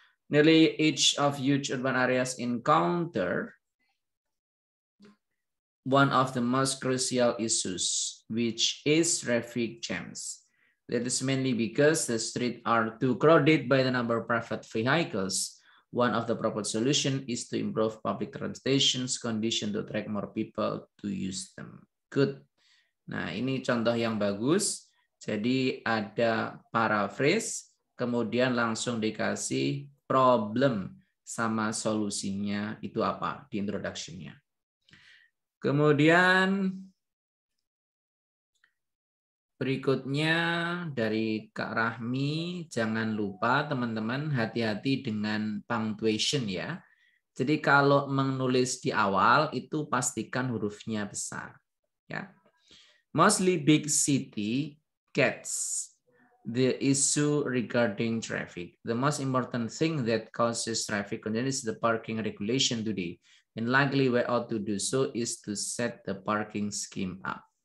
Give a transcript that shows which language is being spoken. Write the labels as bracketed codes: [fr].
[en] Nearly each of huge urban areas encounter one of the most crucial issues, which is traffic jams. That is mainly because the streets are too crowded by the number of private vehicles. One of the proposed solutions is to improve public transportation condition to attract more people to use them. Good. [id] Nah, ini contoh yang bagus. Jadi ada paraphrase, kemudian langsung dikasih problem sama solusinya itu apa di introduction-nya. Kemudian berikutnya dari Kak Rahmi, jangan lupa teman-teman hati-hati dengan punctuation ya. Jadi kalau menulis di awal itu pastikan hurufnya besar. Ya. [en] Mostly big city gets the issue regarding traffic. The most important thing that causes traffic congestion is the parking regulation today. And likely way out to do so is to set the parking scheme up.